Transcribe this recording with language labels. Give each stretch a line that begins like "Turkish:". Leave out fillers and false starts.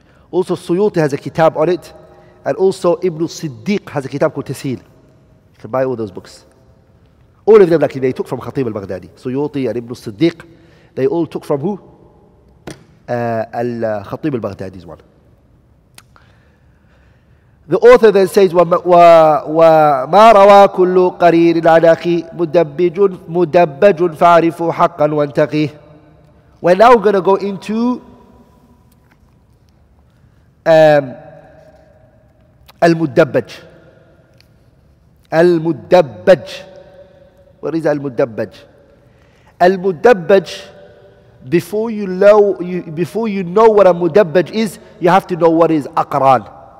English: Also Suyuti has a kitab on it, and also Ibn Siddiq has a kitab called Tasil. You can buy all those books. All of them, like they took from Khatib al-Baghdadi. Suyuti and Ibn Siddiq, they all took from who? Al-Khatib al-Baghdadi's one. The author then says,
Arabic: وَمَا رَوَى كُلُّ قَرِيرِ الْعَلَاقِ مُدَبَّجٌ فَعْرِفُ حَقًّا وَانْتَقِيهِ.
English: We're now going to go into Al-Mudabbaj. Al-Mudabbaj. What is Al-Mudabbaj? Al-Mudabbaj, before you know what a Mudabbaj is, you have to know what is Aqran.